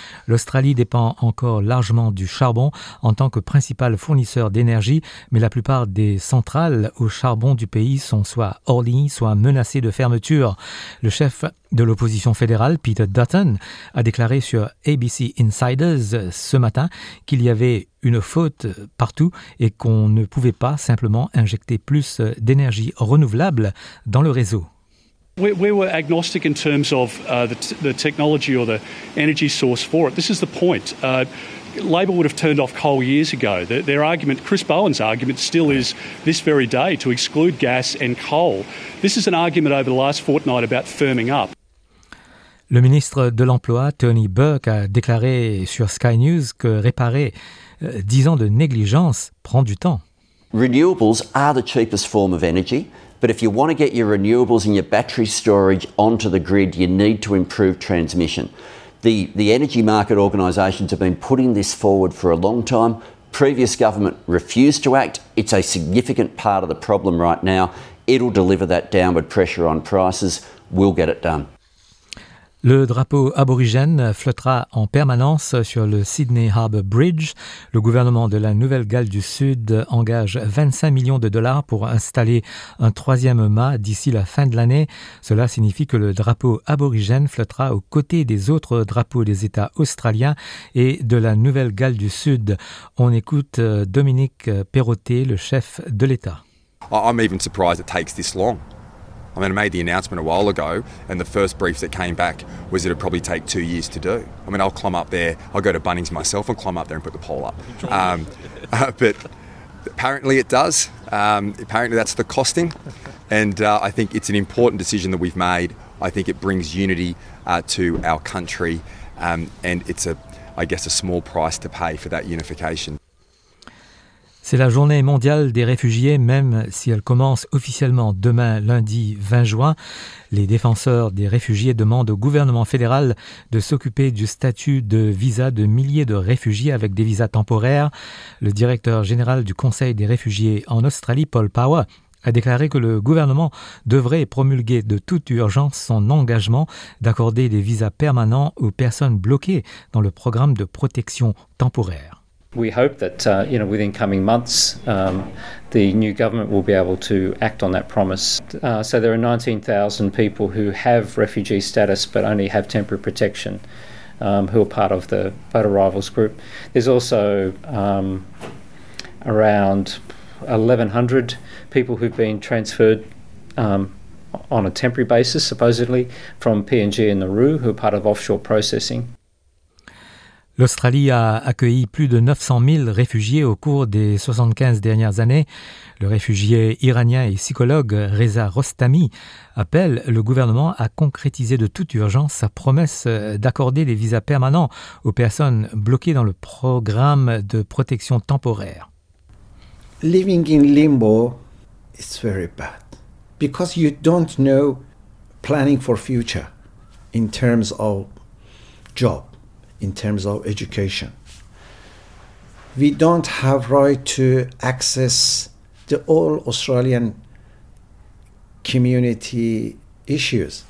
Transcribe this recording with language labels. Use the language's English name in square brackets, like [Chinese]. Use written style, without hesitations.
[French] L'Australie dépend encore largement du charbon en tant que principal fournisseur d'énergie, mais la plupart des centrales au charbon du pays sont soit hors ligne, soit menacées de fermeture. Le chef de l'opposition fédérale, Peter Dutton, a déclaré sur ABC Insiders ce matin qu'il y avait une faute partout et qu'on ne pouvait pas simplement injecter plus d'énergie renouvelable dans le réseau. [English] We were agnostic in terms of the technology or the energy source for it. This is the point. Labor would have turned off coal years ago. Their argument, Chris Bowen's argument, still is this very day to exclude gas and coal. This is an argument over the last fortnight about firming up. [French] Le ministre de l'Emploi, Tony Burke, a déclaré sur Sky News que réparer 10 ans de négligence prend du temps. [English] Renewables are the cheapest form of energy, but if you want to get your renewables and your battery storage onto the grid, you need to improve transmission. The energy market organisations have been putting this forward for a long time. Previous government refused to act. It's a significant part of the problem right now. It'll deliver that downward pressure on prices. We'll get it done. [French] Le drapeau aborigène flottera en permanence sur le Sydney Harbour Bridge. Le gouvernement de la Nouvelle-Galles du Sud engage 25 millions de dollars pour installer un troisième mât d'ici la fin de l'année. Cela signifie que le drapeau aborigène flottera aux côtés des autres drapeaux des États australiens et de la Nouvelle-Galles du Sud. On écoute Dominique Perrottet, le chef de l'État. [English] I'm even surprised it takes this long. I mean, I made the announcement a while ago, and the first brief that came back was it'd probably take 2 years to do. I mean, I'll climb up there, I'll go to Bunnings myself, I'll climb up there and put the pole up. But apparently it does. Apparently that's the costing. And I think it's an important decision that we've made. I think it brings unity to our country. And it's a small price to pay for that unification. [French] C'est la journée mondiale des réfugiés, même si elle commence officiellement demain, lundi 20 juin. Les défenseurs des réfugiés demandent au gouvernement fédéral de s'occuper du statut de visa de milliers de réfugiés avec des visas temporaires. Le directeur général du Conseil des réfugiés en Australie, Paul Power, a déclaré que le gouvernement devrait promulguer de toute urgence son engagement d'accorder des visas permanents aux personnes bloquées dans le programme de protection temporaire. [English] We hope that within coming months the new government will be able to act on that promise. So there are 19,000 people who have refugee status but only have temporary protection who are part of the boat arrivals group. There's also around 1,100 people who've been transferred on a temporary basis, supposedly, from PNG and Nauru, who are part of offshore processing. [French] L'Australie a accueilli plus de 900 000 réfugiés au cours des 75 dernières années. Le réfugié iranien et psychologue Reza Rostami appelle le gouvernement à concrétiser de toute urgence sa promesse d'accorder des visas permanents aux personnes bloquées dans le programme de protection temporaire. [English] Living in limbo is very bad because you don't know planning for future in terms of job. In terms of education, we don't have right to access the all Australian community issues.